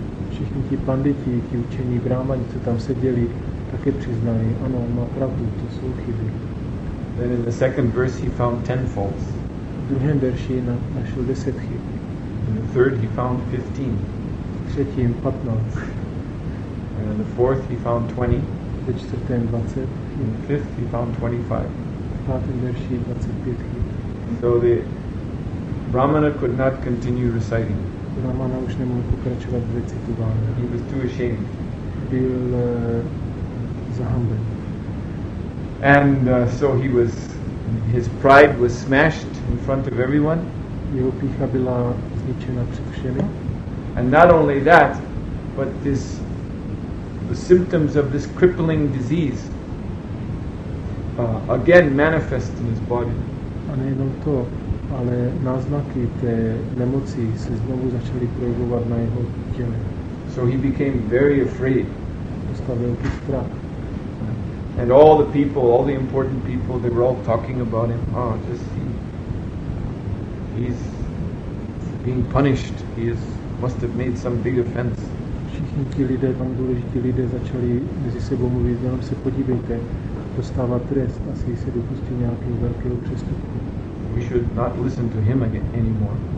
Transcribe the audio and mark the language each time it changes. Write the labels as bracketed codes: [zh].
[cs] Všichni ti panditi, ti učení brahmani, co tam seděli, také přiznali, ano, má pravdu, to jsou chyby. [en] Then in the second verse he found 10 faults. [cs] V druhém verši našel 10 chyb. [en] In the third he found 15. [cs] V třetím 15. [en] And in the fourth he found 20. [cs] V čtvrtém 20. [en] In the fifth he found 25. [cs] V pátém verši 25 chyb. [en] So the brahmana could not continue reciting. [cs] Brahmana už nemohl pokračovat v recitování. [en] He was too ashamed. [cs] Byl zahamben. [en] And so he was, his pride was smashed in front of everyone. [cs] Jeho pícha byla zničena před všemi. [en] And not only that, but this, the symptoms of this crippling disease again manifest in his body. [cs] A nejenom to, ale náznaky té nemoci se znovu začaly projevovat na jeho těle. [en] So he became very afraid. [cs] Dostal velký strach. [en] And all the people, all the important people, they were all talking about him. Oh, just see. He's being punished. He is, must have made some big offense. [cs] Všichni ti lidé, tam důležití lidé, začali mezi sebou mluvit. Jenom se podívejte, dostává trest. Asi se dopustil nějakého velkého přestupku. [en] We should not listen to him again anymore.